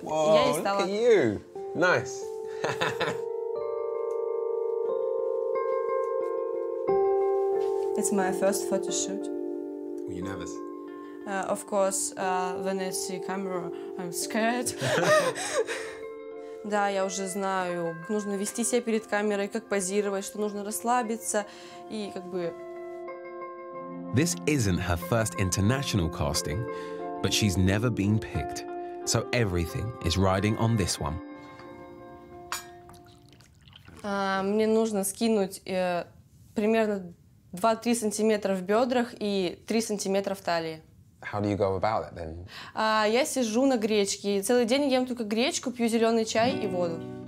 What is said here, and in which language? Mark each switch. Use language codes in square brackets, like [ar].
[ru] я и стала. [en] Look at you. Nice. Ha, It's my first photo shoot. Were you nervous? Of course, when I see camera, I'm scared. [ru] Да, я уже знаю, нужно вести себя перед камерой, как позировать, что нужно расслабиться и как бы... [en] This isn't her first international casting, but she's never been picked. So everything is riding on this one. [ru] Мне нужно скинуть примерно 2-3 сантиметра в бедрах и 3 сантиметра в талии. [en] How do you go about it then? [ru] Я сижу на гречке. Целый день ем только гречку, пью зеленый чай и воду.